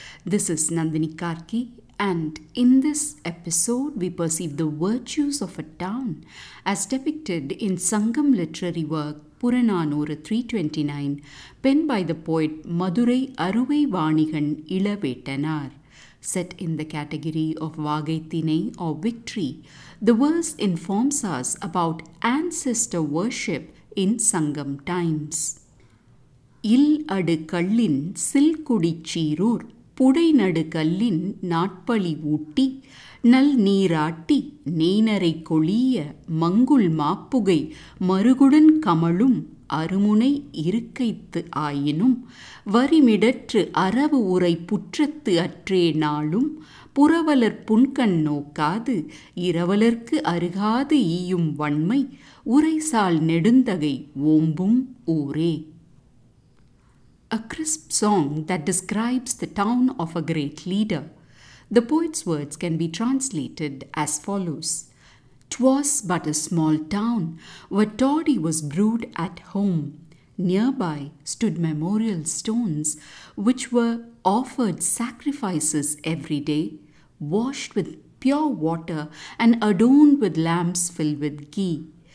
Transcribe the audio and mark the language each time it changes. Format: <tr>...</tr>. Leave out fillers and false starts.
<en>This is Nandini Karki, and in this episode we perceive the virtues of a town as depicted in Sangam literary work Puranaanooru 329, penned by the poet Madurai Aruvai Vaanikan Ilavettanaar. Set in the category of Vaagai Thinai or victory, the verse informs us about ancestor worship in Sangam times.</en> <ta>இல் அடு கள்ளின் சில்குடி சீரூர் புடை நடு கல்லின் நாட்பழி ஊட்டி நல் நீராட்டி நேனரை கொளிய மங்குள் மாப்புகை மறுகுடன் கமழும் அருமுனை இருக்கைத்து ஆயினும் வரிமிடற்று அரவு உரை புற்றத்து அற்றே நாளும் புறவலர் புன்கண் நோக்காது இரவலர்க்கு அருகாது ஈயும் வன்மை உரைசால் நெடுந்தகை ஓம்பும் ஊரே.</ta> <en>A crisp song that describes the town of a great leader. The poet's words can be translated as follows. 'Twas but a small town where toddy was brewed at home. Nearby stood memorial stones which were offered sacrifices every day, washed with pure water and adorned with lamps filled with ghee.</en>